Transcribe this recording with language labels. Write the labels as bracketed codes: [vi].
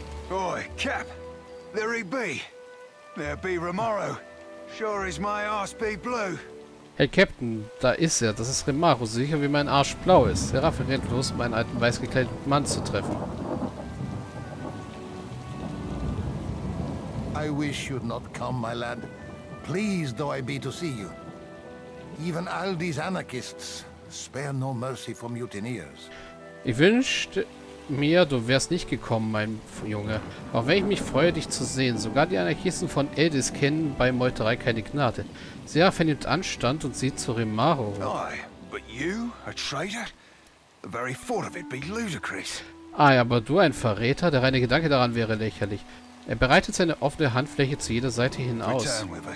[en] Oi, Cap. There he be. There be Remaro. Sure is my arse be blue. [de] Hey Captain, da ist er. Das ist Remaro. Sicher wie mein Arsch blau ist. Seraph rennt los, um einen alten weiß gekleideten Mann zu treffen. [en] I wish you'd not come, my lad. Pleased though I be to see you. Even all these anarchists spare no mercy for mutineers. [de] Ich wünschte mir, du wärst nicht gekommen, mein Junge. Auch wenn ich mich freue, dich zu sehen. Sogar die Anarchisten von Eldis kennen bei Meuterei keine Gnade. Seraph nimmt Anstand und sieht zu Remaro. [en] Aye, but you, a traitor? The very thought of it be ludicrous. [de] Aye, aber du ein Verräter? Der reine Gedanke daran wäre lächerlich. Er breitet seine offene Handfläche zu jeder Seite hin aus.